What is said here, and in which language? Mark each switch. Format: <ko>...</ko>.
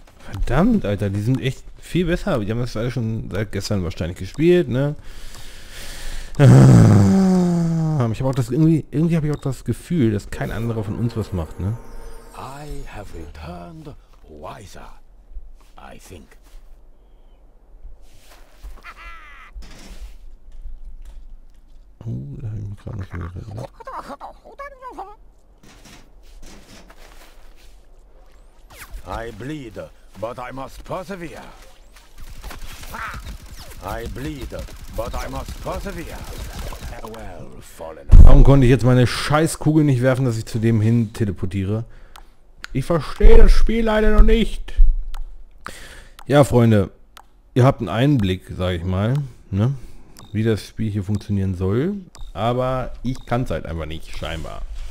<de>Verdammt, Alter, die sind echt viel besser. Die haben das alle schon seit gestern wahrscheinlich gespielt, ne? Ich habe auch das irgendwie habe ich auch das Gefühl, dass kein anderer von uns was macht, ne?</de> <en>I have returned wiser, I think.</en> <de>Da habe ich mich gerade noch gerettet.</de> <en>I bleed, but I must persevere. I bleed, but I must persevere. Farewell, fallen.</en> <de>Warum konnte ich jetzt meine Scheißkugel nicht werfen, dass ich zu dem hin teleportiere? Ich verstehe das Spiel leider noch nicht. Ja, Freunde, ihr habt einen Einblick, sage ich mal, ne? Wie das Spiel hier funktionieren soll. Aber ich kann es halt einfach nicht, scheinbar.</de>